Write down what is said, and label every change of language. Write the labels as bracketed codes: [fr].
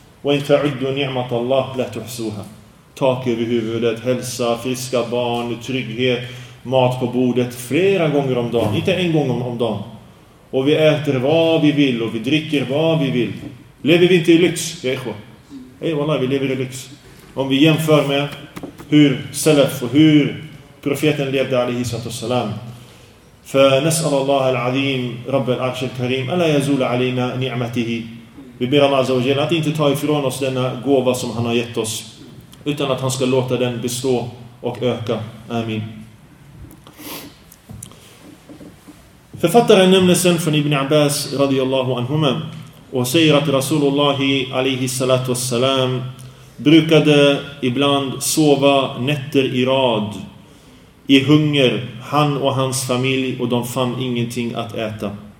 [ar] Wa in ta'uddu ni'mat Allah la tuhsuha. [sv] Tak över huvudet, hälsa, friska barn, trygghet, mat på bordet flera gånger om dagen. Inte en gång om dagen. Och vi äter vad vi vill och vi dricker vad vi vill. Lever vi inte i lyx? Ja, ikhwa. Ey wallah, vi lever i lyx. Om vi jämför med hur salaf och hur profeten levde alaihi sallam. [ar] فنسأل الله العظيم رب العرش الكريم ألا يزول علينا نعمته. [sv] Vi ber Allah Azza wa Jalla att inte ta ifrån oss denna gåva som han har gett oss, utan att han ska låta den bestå och öka. Amin. Författaren nämner sen från Ibn Abbas radiyallahu anhuma och säger att Rasulullah alayhi salatu wassalam brukade ibland sova nätter i rad i hunger, han och hans familj, och de fann ingenting att äta.